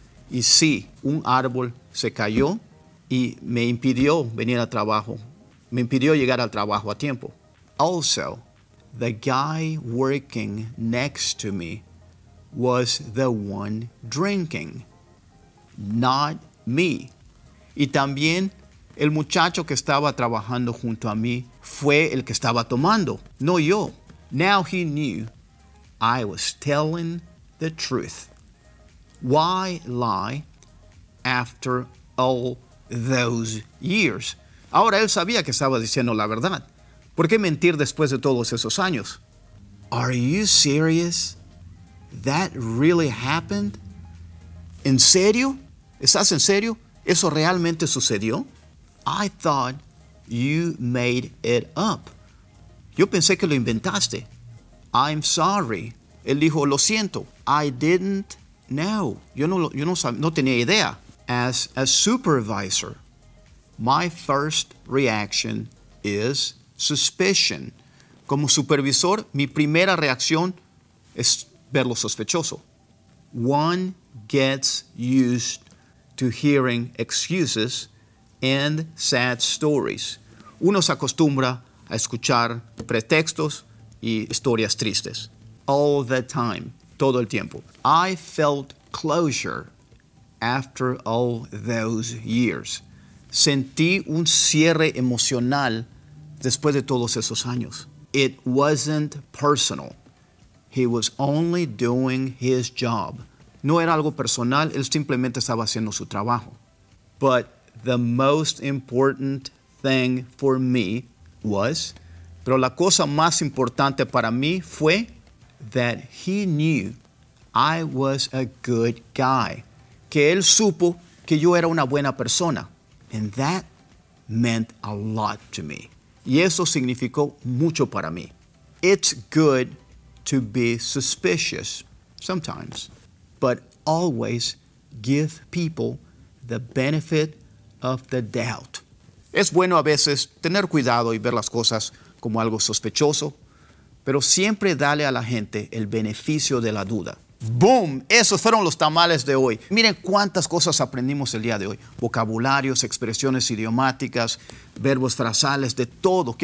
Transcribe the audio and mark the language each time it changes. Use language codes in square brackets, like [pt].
[es] Y sí, un árbol se cayó y me impidió venir a trabajo. Me impidió llegar al trabajo a tiempo. [en] Also, the guy working next to me was the one drinking, not me. [es] Y también el muchacho que estaba trabajando junto a mí fue el que estaba tomando, no yo. [en] Now he knew I was telling the truth. Why lie after all those years? [es] Ahora él sabía que estaba diciendo la verdad. ¿Por qué mentir después de todos esos años? [en] Are you serious? That really happened? [es] ¿En serio? ¿Estás en serio? ¿Eso realmente sucedió? [en] I thought you made it up. [es] Yo pensé que lo inventaste. [en] I'm sorry. [es] Él dijo, lo siento. [en] I didn't know. [es] Yo no tenía idea. [en] As a supervisor, my first reaction is suspicion. [es] Como supervisor, mi primera reacción es verlo sospechoso. [en] One gets used to hearing excuses and sad stories. [es] Uno se acostumbra a escuchar pretextos y historias tristes. [en] All the time, [es] todo el tiempo. [en] I felt closure after all those years. [es] Sentí un cierre emocional después de todos esos años. [en] It wasn't personal. He was only doing his job. [es] No era algo personal, él simplemente estaba haciendo su trabajo. [en] But the most important thing for me was, [es] pero la cosa más importante para mí fue, [en] that he knew I was a good guy. [es] Que él supo que yo era una buena persona. [en] And that meant a lot to me. [es] Y eso significó mucho para mí. [en] It's good to be suspicious sometimes, but always give people the benefit of the doubt. [es] Es bueno a veces tener cuidado y ver las cosas como algo sospechoso, pero siempre dale a la gente el beneficio de la duda. ¡Boom! Esos fueron los tamales de hoy. Miren cuántas cosas aprendimos el día de hoy. Vocabularios, expresiones idiomáticas, verbos frasales, de todo.